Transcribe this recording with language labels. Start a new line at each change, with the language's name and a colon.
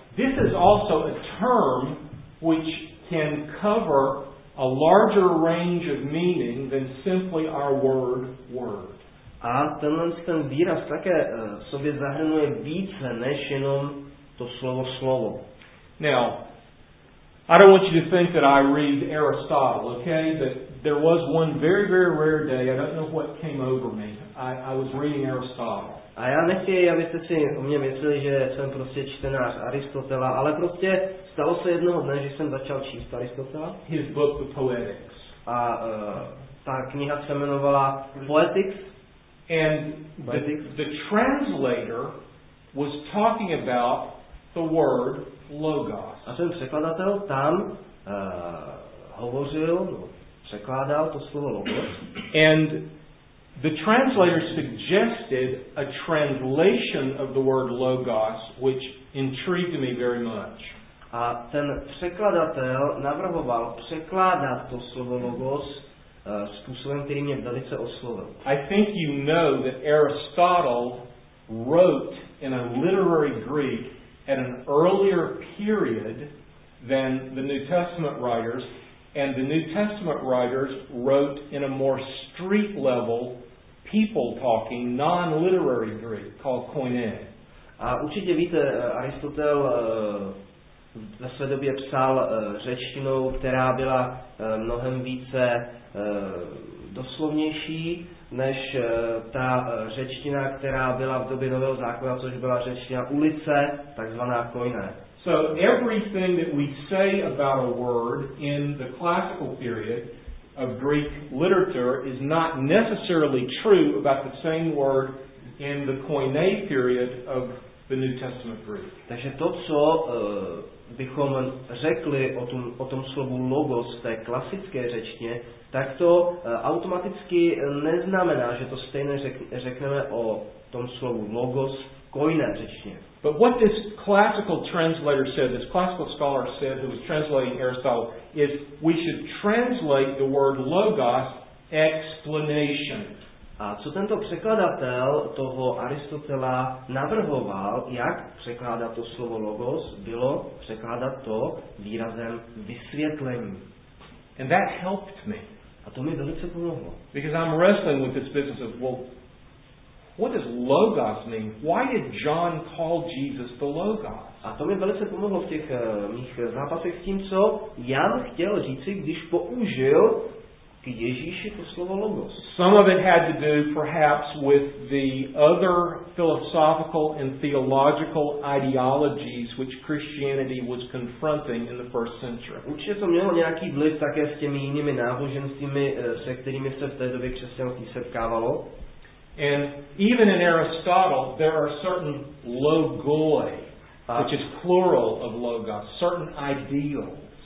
English: This is also a term which can cover a larger range of meaning than simply our word.
Czech: A tenhle výraz také sobě zahrnuje více než jenom to slovo.
English: Now, I don't want you to think that I read Aristotle, okay? That there was one very, very rare day, I don't know what came over me, I was reading Aristotle.
Czech: A já nechci, abyste si o mě mysleli, že jsem prostě čtenář Aristotela, ale prostě stalo se jednoho dne, že jsem začal číst Aristotela.
English: His book, The Poetics.
Czech: A ta kniha se jmenovala Poetics.
English: And the translator was talking about the word logos.
Czech: A ten překladatel tam hovořil, překládal to slovo logos.
English: And the translator suggested a translation of the word logos, which intrigued me very much.
Czech: A ten překladatel navrhoval překládat to slovo logos způsobem, který mě velice oslovil.
English: I think you know that Aristotle wrote in a literary Greek at an earlier period than the New Testament writers, and the New Testament writers wrote in a more street level people talking non-literary Greek called koine.
Czech: A určitě víte, Aristotel ve své době psal řečtinou, která byla mnohem více doslovnější než ta řečtina, která byla v době Nového zákona, což byla řečtina ulice, takzvaná koine.
English: So everything that we say about a word in the classical period of Greek literature is not necessarily true about the same word in the Koine period of the New Testament Greek.
Czech: Takže to, co bychom řekli o tom slovu logos v té klasické řečtině, tak to automaticky neznamená, že to stejné řekneme o tom slovu logos v Koine řečtině.
English: But what this classical translator said, this classical scholar said who was translating Aristotle, is we should translate the word logos explanation.
Czech: A co tento překladatel toho Aristotela navrhoval, jak překládat to slovo logos, bylo překládat to výrazem vysvětlení.
English: And that helped me.
Czech: A to mi velice pomohlo.
English: Because I'm wrestling with this business of, well, what does logos mean? Why did John call Jesus the logos?
Czech: A to mi velice pomohlo v těch mých zápasech s tím, co Jan chtěl říci, když použil k Ježíši to slovo logos.
English: Some of it had to do perhaps with the other philosophical and theological ideologies which Christianity was confronting in the first century.
Czech: Určitě to mělo nějaký vliv také s těmi jinými náboženstvími, se kterými se v té době křesťanství setkávalo.
English: And even in Aristotle, there are certain logoi, which is plural of logos, certain ideals.